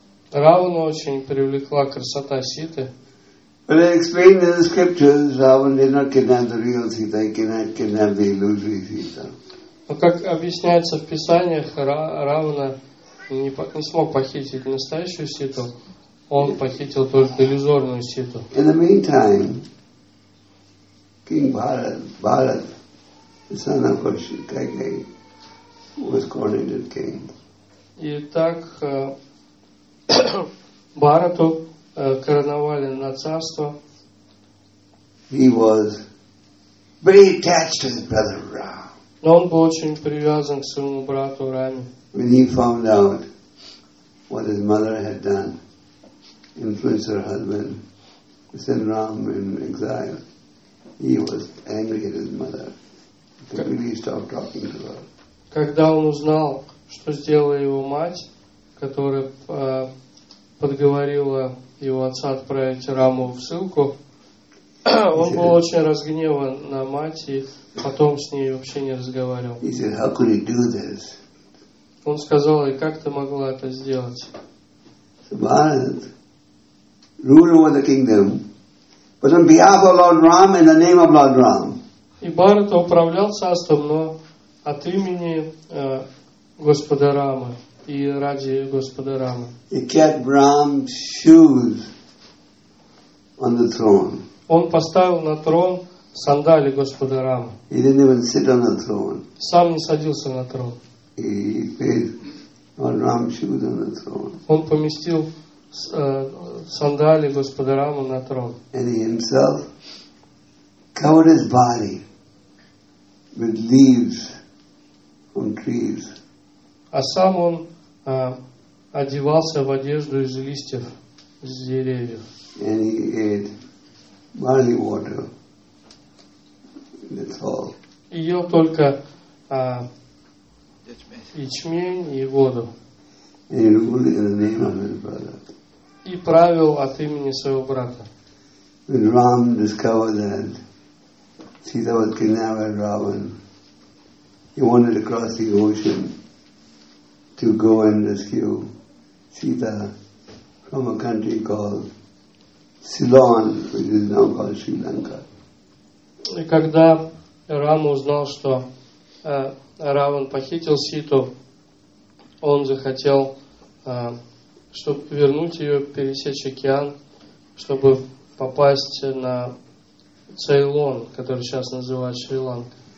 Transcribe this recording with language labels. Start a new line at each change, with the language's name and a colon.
Russian: Равана очень привлекла красота Ситы.
English: When I explained in the scriptures, Ravan did not kidnap the real Sita, he kidnapped the illusory Sita.
Russian: Но как объясняется в Писаниях, Равана не смог похитить настоящую Ситу, он похитил только иллюзорную Ситу.
English: In the meantime, King Bharat, the son of Kaikeyi, was coronated king.
Russian: И так Бхарату короновали на царство.
English: He was very attached to his brother Рама.
Russian: Но он был очень привязан к своему брату Раме.
English: When he found out what his mother had done, influenced her husband to send Рама in exile, he was angry at his mother. He completely stopped talking to her.
Russian: Когда он узнал, что сделала его мать, которая подговорила его отца отправить Раму в ссылку, он
English: said,
Russian: был очень разгневан на мать и потом с ней вообще не разговаривал.
English: He said, how could he do this?
Russian: Он сказал ей, как ты могла это сделать?
English: So Bharat, ruler over the kingdom, but on behalf of Lord Ram, in the name of Lord Ram.
Russian: И Бхарата управлял царством, но от имени Господа Рамы и ради Господа Рамы.
English: He kept Brahma's shoes on the throne.
Russian: Он поставил на трон сандали Господа Рамы.
English: He didn't even sit on the throne.
Russian: Сам не садился на трон.
English: He paid Balram's shoes on the throne.
Russian: Он поместил сандали Господа Рамы на трон.
English: And he himself covered his body with leaves from trees.
Russian: А сам он одевался в одежду из листьев с деревьев.
English: And he ate barley water. That's all.
Russian: И ел только ячмень и воду.
English: And he ruled in the name of his brother.
Russian: И правил от имени своего брата.
English: When Ram discovered that Sita was kidnapped by Ravan, he wanted to cross the ocean to go and rescue Sita from a country called Ceylon, which is now called Sri Lanka.
Russian: И когда Рама узнал, что Раван похитил Ситу, он захотел чтобы вернуть ее, пересечь океан, чтобы попасть на Цейлон, который сейчас называют Шри-Ланка.